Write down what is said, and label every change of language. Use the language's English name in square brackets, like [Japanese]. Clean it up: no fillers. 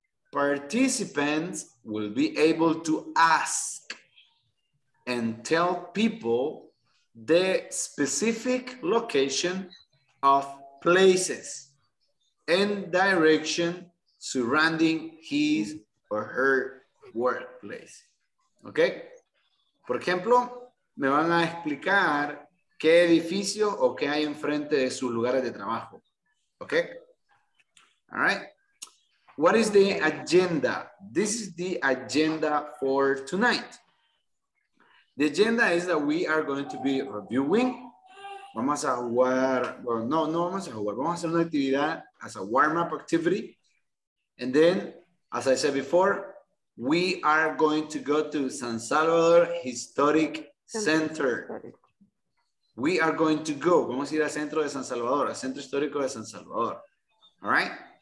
[English] Participants will be able to ask and tell people the specific location of places and direction surrounding his or her workplace. ¿Ok? [Spanish] Por ejemplo, me van a explicar qué edificio o qué hay enfrente de sus lugares de trabajo. [English] ¿Ok? All right. What is the agenda? This is the agenda for tonight. The agenda is that we are going to be reviewing. [Spanish] Vamos a jugar, well, no vamos a jugar. Vamos a hacer una actividad [English] as a warm-up activity. And then, as I said before, we are going to go to San Salvador Historic Center. We are going to go. [Spanish] Vamos a ir al centro de San Salvador, al centro histórico de San Salvador. [English] All right?